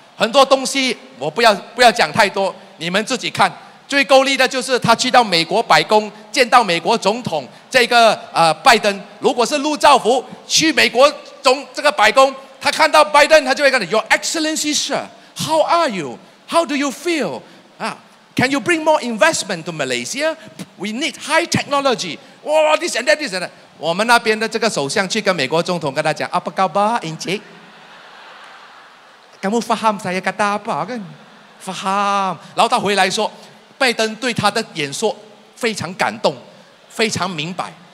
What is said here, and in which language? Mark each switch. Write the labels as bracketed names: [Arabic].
[Chinese] 很多东西我不要讲太多，你们自己看。最够力的就是他去到美国白宫见到美国总统这个拜登。如果是陆兆福去美国总这个白宫，他看到拜登，他就会跟你 [English] Your Excellency Sir, How are you? How do you feel? Can you bring more investment to Malaysia? We need high technology. Oh, this and that, this and that. [Chinese] 我们那边的这个首相去跟美国总统跟他讲 [Malay] apa khabar, Encik? Kamu faham saya kata apa, kan? Faham. [Chinese] 然后他回来说，拜登对他的演说非常感动，非常明白。